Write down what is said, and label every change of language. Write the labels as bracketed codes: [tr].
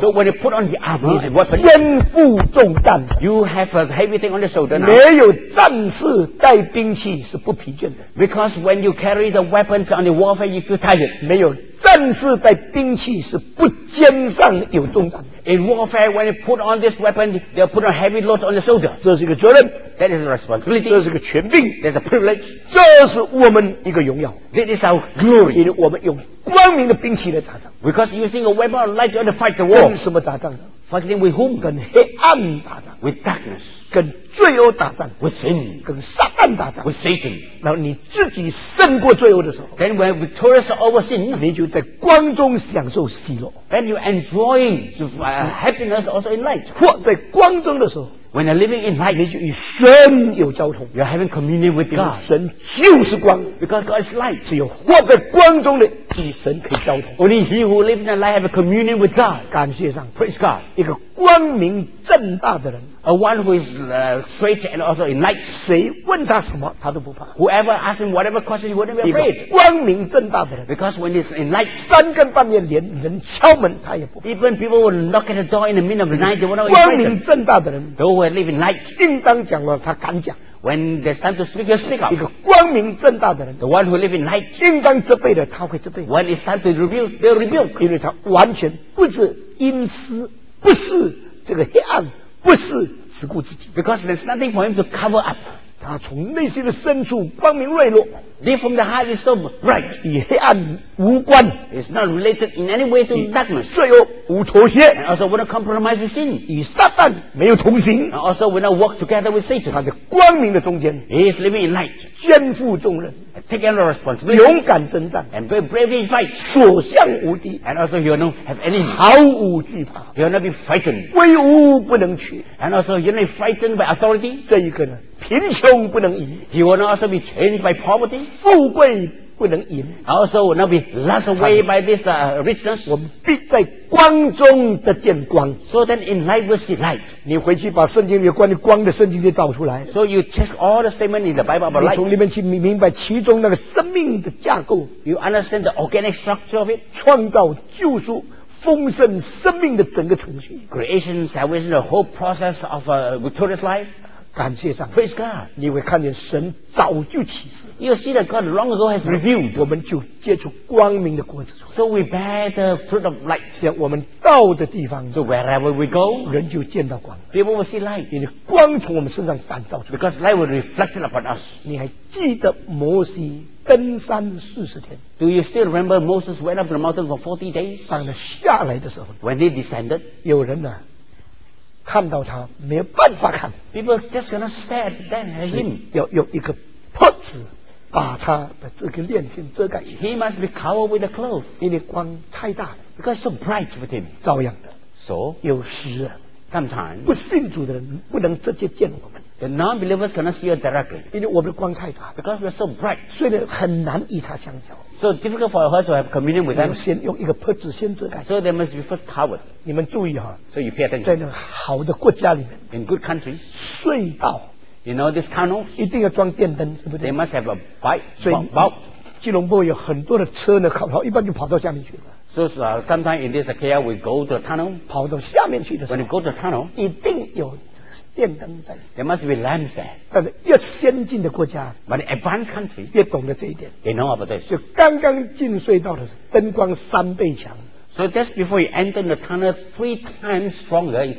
[en] ，so when you put on the armor， [zh] 你是肩负重担 [en] ，you have a heavy thing on your shoulder now。 [zh] 没有战士戴兵器是不疲倦的 [en] ，because when you carry the weapons on the warfare， you feel tired。 [zh] 没有战士戴兵器是不肩上有重担。 [en] In warfare, when you put on this weapon, they'll put a heavy load on the shoulder. [zh] 这是一个责任。 [en] That is a responsibility. [zh] 这是一个权柄。 [en] That's a privilege. [zh] 这是我们一个荣耀。 [en] This is our glory. [zh] 因为我们用光明的兵器来打仗。 [en] Because using a weapon of light to fight the war. [zh] 跟什么打仗呢 [en] ？Fighting with whom? [zh] 跟黑暗打仗。 [en] With darkness. [zh] 跟罪恶打仗。 [en] With sin. [zh] 跟撒旦打仗。 [en] With Satan. [zh] 然后你自己胜过罪恶的时候。 [en] Then when victorious over sin, [zh] 你就在光中享受喜乐。 [en] Then you enjoying happiness also in light. [zh] 或在光中的时候。 [en] When you're living in light, [zh] 你就与神有交通。 [en] You're having communion with God. [zh] 神就是光。 [en] Because God is light. [zh] 只有活在光中的与神可以交通。 [en] Only he who lives in the light have a communion with God. [zh] 感谢上。 [en] Praise God. [zh] 一个光明正大的人。 [en] A one who is straight and also in light. [zh] 谁问他什么他都不怕。 [en] Whoever asks him whatever question, he wouldn't be afraid. [zh] 光明正大的人。 [en] Because when he's in light, [zh] 三更半夜连人敲门他也不怕。 [en] Even people will knock at the door in the middle of the night, they will not be afraid. [zh] 光明正大的人。 [en] Will live in light. [zh] 应当讲了，他敢讲。 [en] When there's time to speak, you speak up. [zh] 一个光明正大的人 [en] ，the one who live in light. [zh] 应当责备的，他会责备。 [en] When it's time to rebuke, they rebuke. [zh] 因为他完全不是阴私，不是这个黑暗，不是只顾自己。 [en] Because there's nothing for him to cover up. [zh] 他从内心的深处光明锐落。 [en] Deep from the heart is so bright. [zh] 与黑暗无关。 [en] It's not related in any way to darkness. [zh] 罪恶无妥协。 [en] And also without compromise with sin. [zh] 与撒旦没有同行。 [en] And also without work together with Satan. [zh] 他在光明的中间。 [en] He is living in light. [zh] 肩负重任。 [en] And take on the responsibility. [zh] 勇敢征战。 [en] And be brave in fight. [zh] 所向无敌。 [en] And also you will not have any. [zh] 毫无惧怕。 [en] You will not be frightened. [zh] 威武不能屈。 [en] And also you will not be frightened by authority. [zh] 这一个呢，贫穷不能移。 [en] You will not also be changed by poverty. [zh] 富贵不能淫。 [en] Also will not be lost away by this richness. [zh] 我们必在光中得见光。 [en] So then in light we see light. [zh] 你回去把圣经里关于光的圣经就找出来。 [en] So you check all the statement in the Bible about light. [zh] 你从里面去明白其中那个生命的架构。 [en] You understand the organic structure of it. [zh] 创造救赎丰盛生命的整个程序。 [en] Creation, salvation, the whole process of a victorious life. [zh] 感谢上帝 [en] Praise God. [zh] 你会看见神早就启示 [en] You see that God long ago has revealed. [zh] 我们就接触光明的果子 [en] So we bear the fruit of light. [zh] 像我们到的地方 [en] So wherever we go, [zh] 人就见到光 [en] People will see light. [zh] 因为光从我们身上反照 [en] Because light will reflect upon us. [zh] 你还记得摩西登山四十天 [en] Do you still remember Moses went up the mountain for 40 days? [zh] 当他下来的时候 [en] When he descended, [zh] 有人呢看到他没有办法看 [en] People just gonna stare at them at him [zh] 要用一个破纸把他的这个链线遮盖 [en] He must be covered with a cloth [zh] 因为光太大 [en] Because it's so bright with him [zh] 照样的 [en] So [zh] 有时 [en] Sometimes [zh] 不信主的人不能直接见我们 [en] The non-believers cannot see you directly [zh] 因为我们的光太大 [en] Because we're so bright [zh] 所以很难与他相交 [en] So difficult for her to have communion with them [zh] 先用一个破纸先遮盖 [en] So they must be first covered [zh] 你们注意哈、 [en] so、you pay attention. [zh] 在那好的国家里面 [en] in good countries, [zh] 隧道 [en] you know, these tunnels, [zh] 一定要装电灯对不对 [en] they must have a bike, bulb. [zh] 吉隆坡有很多的车呢跑跑一般就跑到下面去了 [en] so, sometimes in this KL we go to a tunnel [zh] 跑到下面去的时候 [en] when you go to a tunnel [zh] 一定有电灯在 [en] there must be lamps there [zh] 但是越先进的国家 [en] but advanced country [zh] 越懂得这一点 [en] they know about this [zh] 就刚刚进隧道的时候灯光三倍强 [en] So just before you enter the tunnel, three times stronger is